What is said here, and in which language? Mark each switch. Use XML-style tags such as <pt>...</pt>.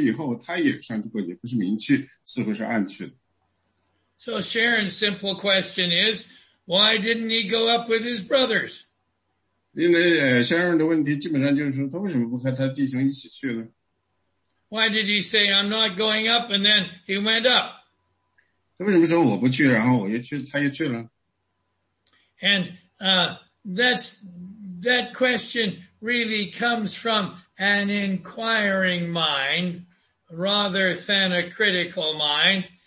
<zh>因为第十节继续说呢，但他弟兄上去以后，他也上去过节，不是明去，似乎是暗去的。</zh> <en>So Sharon's simple question is, why didn't he go up with his brothers?</en> <zh>因为Sharon的问题基本上就是说，他为什么不和他弟兄一起去呢？</zh> <en>Why did he say, "I'm not going up," and then he went up?</en> <zh>他为什么说我不去，然后我又去，他又去了？</zh> <en>And that question really comes from an inquiring mind rather than a critical mind.</en>